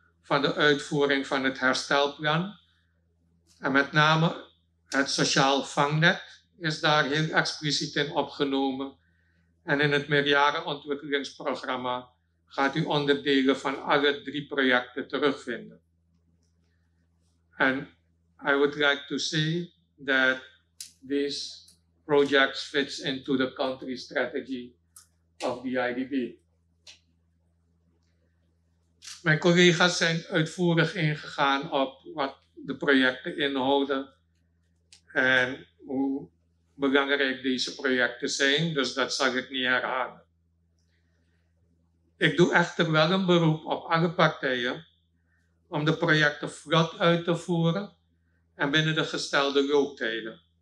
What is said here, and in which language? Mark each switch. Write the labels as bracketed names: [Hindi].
[Dutch] van de uitvoering van het herstelplan. En met name het sociaal vangnet is daar heel expliciet in opgenomen. En in het meerjarenontwikkelingsprogramma gaat u onderdelen van alle drie projecten terugvinden. [English] En I would like to say that these projects fits into the country strategy of the IDB. [Dutch] Mijn collega's zijn uitvoerig ingegaan op wat de projecten inhouden en hoe belangrijk deze projecten zijn, dus dat zal ik niet herhalen. Ik doe echter wel een beroep op alle partijen om de projecten vlot uit te voeren en binnen de gestelde looptijden.